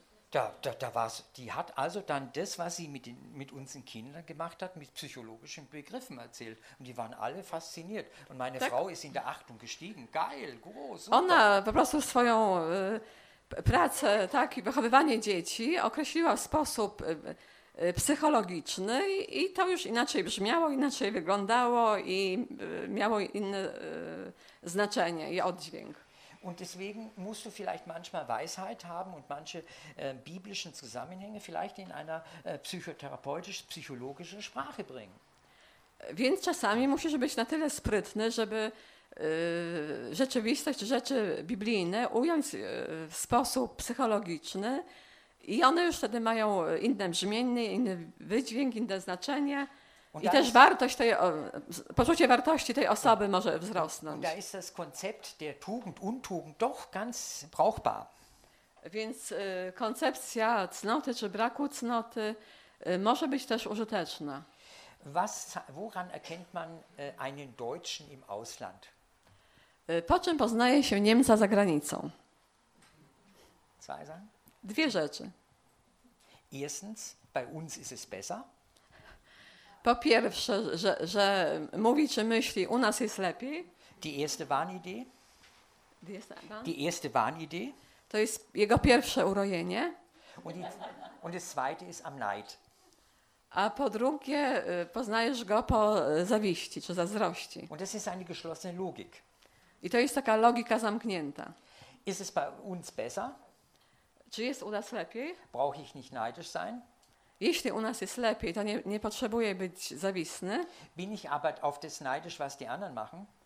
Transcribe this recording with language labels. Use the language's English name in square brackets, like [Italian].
[German] Da war's, die hat also dann das, was sie mit unseren Kindern gemacht hat, mit psychologischen Begriffen erzählt. Und die waren alle fasziniert. Und meine tak. Frau ist in der Achtung gestiegen. Geil, groß, super. [Polish] Ona po prostu swoją pracę, tak, i wychowywanie dzieci określiła w sposób psychologiczny i to już inaczej brzmiało, inaczej wyglądało i miało inne znaczenie i oddźwięk. [German] Und deswegen musst du vielleicht manchmal Weisheit haben und manche biblischen Zusammenhänge vielleicht in einer psychotherapeutisch-psychologischen Sprache bringen. [Polish] Więc czasami musisz być na tyle sprytny, żeby rzeczywistość, rzeczy biblijne ująć w sposób psychologiczny i one już wtedy mają inne brzmienie, inny wydźwięk, inne znaczenie. I też wartość tej, poczucie wartości tej osoby może wzrosnąć. [German] Da ist das Konzept der Tugend, Untugend doch ganz brauchbar. [Polish] Więc koncepcja cnoty czy braku cnoty może być też użyteczna. [German] Woran erkennt man einen Deutschen im Ausland? [Polish] Po czym poznaje się Niemca za granicą? [German] Zwei Sachen. [Polish] Dwie rzeczy. [German] Erstens, bei uns ist es besser. [Polish] Po pierwsze, że mówi czy myśli, u nas jest lepiej. [German] Die erste Wahnidee. Die erste Wahnidee. [Polish] To jest jego pierwsze urojenie. [German] Und das zweite ist am Neid. [Polish] A po drugie, poznajesz go po zawiści czy zazdrości. [German] Und das ist eine geschlossene Logik. [Polish] I to jest taka logika zamknięta. [German] Ist es bei uns besser? [Polish] Czy jest u nas lepiej? [German] Brauche ich nicht neidisch sein? [Polish] Jeśli u nas jest lepiej, to nie potrzebuję być zawisny. [German] Bin ich aber auf das neidisch, was die anderen machen?